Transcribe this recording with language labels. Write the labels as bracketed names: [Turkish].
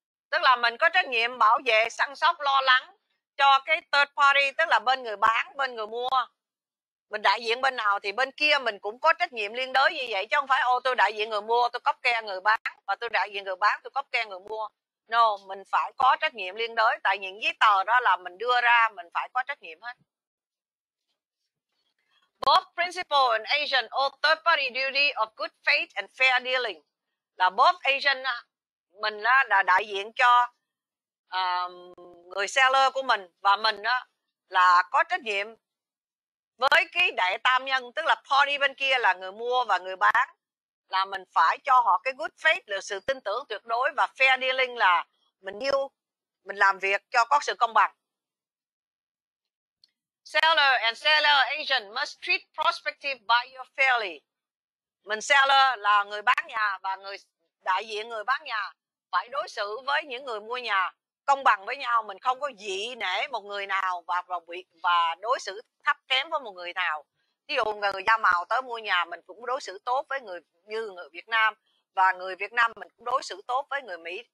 [Vietnamese] Tức là mình có trách nhiệm bảo vệ, săn sóc, lo lắng cho cái third party, tức là bên người bán, bên người mua. mình đại diện bên nào thì bên kia mình cũng có trách nhiệm liên đới như vậy, chứ không phải ô tôi đại diện người mua tôi cóp ke người bán, và tôi đại diện người bán tôi cóp ke người mua. No, mình phải có trách nhiệm liên đới, tại những giấy tờ đó là mình đưa ra mình phải có trách nhiệm hết. [English] Both principal and agent owe third party duty of good faith and fair dealing. [Vietnamese] Là both agent, mình là đại diện cho người seller của mình, và mình là có trách nhiệm với cái đại tam nhân, tức là party bên kia là người mua và người bán, là mình phải cho họ cái [English] good faith, [Vietnamese] là sự tin tưởng tuyệt đối, và [English] fair dealing [Vietnamese] là mình yêu, mình làm việc cho có sự công bằng. [English] Seller and seller agent must treat prospective buyer fairly. [Vietnamese] Mình seller là người bán nhà, và người đại diện người bán nhà phải đối xử với những người mua nhà công bằng với nhau. Mình không có dị nể một người nào và đối xử thấp kém với một người nào. Ví dụ người da màu tới mua nhà, mình cũng đối xử tốt với người như người Việt Nam, và người Việt Nam mình cũng đối xử tốt với người Mỹ.